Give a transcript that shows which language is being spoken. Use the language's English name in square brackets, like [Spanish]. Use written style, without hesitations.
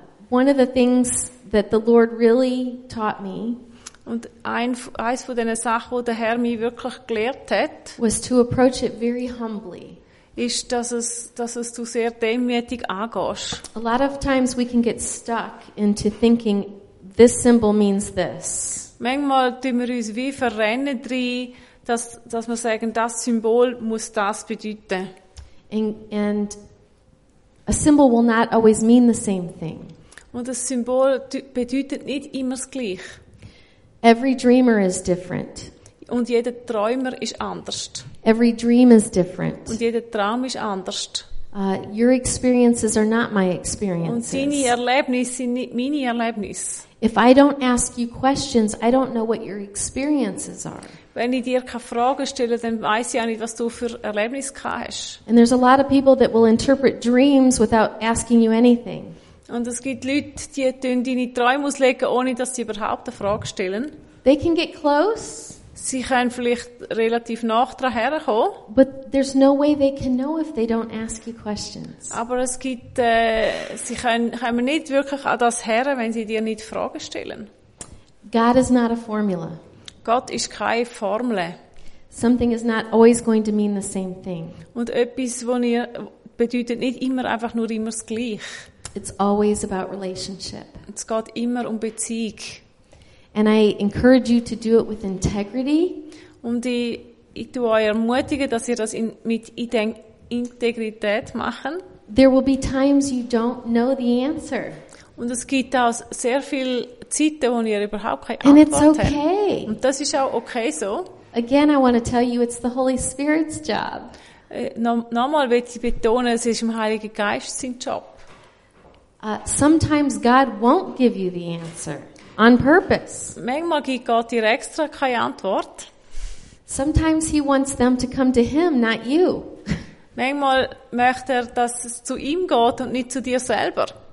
[English] One of the things that the Lord really taught me. [German] Und eins von den Sachen, wo der Herr mich wirklich gelehrt hat, [English] was to approach it very humbly. [German] Ist, dass es du sehr demütig angehst. [English] A lot of times we can get stuck into thinking this symbol means this. [German] Manchmal tun wir uns wie verrennen drin, dass wir sagen, das Symbol muss das bedeuten. [English] And a symbol will not always mean the same thing. [German] Und das Symbol bedeutet nicht immer das Gleiche. [English] Every dreamer is different. [German] Und jeder Träumer ist anders. [English] Every dream is different. [German] Und jeder Traum ist anders. [English] Your experiences are not my experiences. [German] Und deine Erlebnisse sind nicht meine Erlebnisse. [English] If I don't ask you questions, I don't know what your experiences are. [German] Wenn ich dir keine Fragen stelle, dann weiß ich auch nicht, was du für Erlebnisse gehabt hast. [English] And there's a lot of people that will interpret dreams without asking you anything. [German] Und es gibt Leute, die tun deine Träume auslegen, ohne dass sie überhaupt eine Frage stellen. [English] They can get close. [German] Sie können vielleicht relativ nah dran herkommen. [English] But there's no way they can know if they don't ask you questions. [German] Aber es gibt, sie können nicht wirklich an das her, wenn sie dir nicht Fragen stellen. [English] God is not a formula. [German] Gott ist keine Formel. [English] Something is not always going to mean the same thing. [German] Und etwas, was ihr bedeutet nicht immer einfach nur immer das Gleiche. [English] It's always about relationship. [German] Es geht immer um Beziehung. [English] And I encourage you to do it with integrity. [German] Und ich tue euch ermutigen, dass ihr das mit Integrität machen. [English] There will be times you don't know the answer. [German] Und es gibt auch sehr viele Zeiten, wo ihr überhaupt keine [English] And [German] Antwort [English] it's okay. [German] habt. Und das ist auch okay so. [English] Again, I want to tell you, it's the Holy Spirit's job. [German] Nochmal möchte ich betonen, es ist im Heiligen Geist sein Job. [English] Sometimes God won't give you the answer on purpose. [German] Manchmal gibt Gott dir extra keine Antwort. [English] Sometimes he wants them to come to him, not you. [German] Manchmal möchte er, dass es zu ihm geht und nicht zu dir selber.